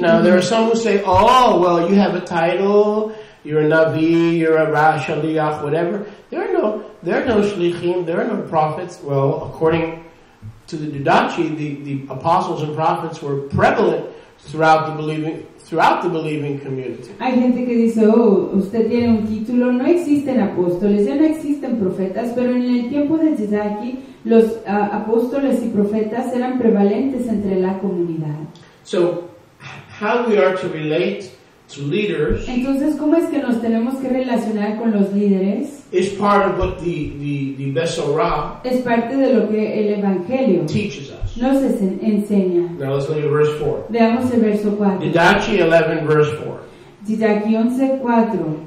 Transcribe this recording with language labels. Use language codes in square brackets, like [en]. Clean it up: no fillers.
[en] Now there are some who say, oh, well, you have a title. You're a Navi, you're a Rashaliach, whatever. There are no shlichim, there are no prophets. Well, according to the Didache, the apostles and prophets were prevalent throughout the believing community. [es] Hay gente que dice, oh, usted tiene un título, no existen apóstoles, ya no existen profetas, pero en el tiempo de Didache, los apóstoles y profetas eran prevalentes entre la comunidad. [en] So, how we are to relate to leaders. [es] Entonces, ¿cómo es que nos tenemos que relacionar con los líderes? [en] Is part of what the Besorah [es] es parte de lo que el Evangelio [en] teaches us. [es] Nos enseña. [en] Now let's look at verse 4. [es] Veamos el verso 4. [en] Didache 11, verse 4. [es] Didache 11, 4.